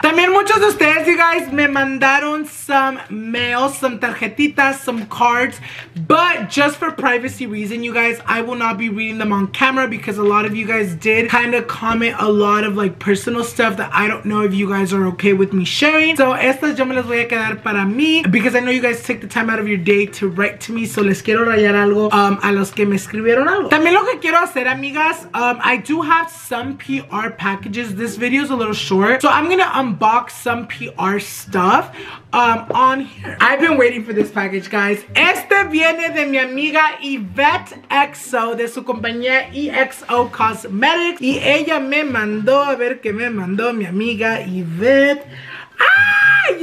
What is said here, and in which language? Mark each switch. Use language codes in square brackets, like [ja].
[es] También muchos de ustedes, [en] you guys, [es] me mandaron [en] some mail, [es] some tarjetitas, [en] some cards. But just for privacy reason, you guys, I will not be reading them on camera because a lot of you guys did kind of comment a lot of like personal stuff that I don't know if you guys are okay with me sharing. [es] So estas yo me las voy a quedar para mí, [en] because I know you guys take the time out of your day to write to me. [es] So les quiero rayar algo a los que me escribieron algo. También lo que quiero hacer, amigas, [en] I do have some PR packages. This video is a little short, so I'm gonna unbox some PR stuff on here. I've been waiting for this package, guys. [es] Este viene de mi amiga Yvette XO, de su compañía EXO Cosmetics. Y ella me mandó, a ver qué me mandó mi amiga Yvette. ¡Ay!